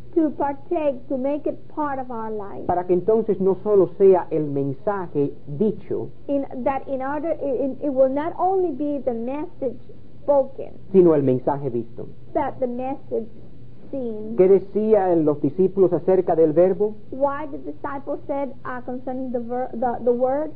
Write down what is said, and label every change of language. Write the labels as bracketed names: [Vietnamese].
[English] To make it part of our life. [Spanish] Para que entonces no solo sea el mensaje dicho. [English] It will not only be the message spoken. [Spanish] Sino el mensaje visto. [English] That the message [Spanish] ¿Qué decían los discípulos acerca del verbo? [English] Why the disciples said concerning the word?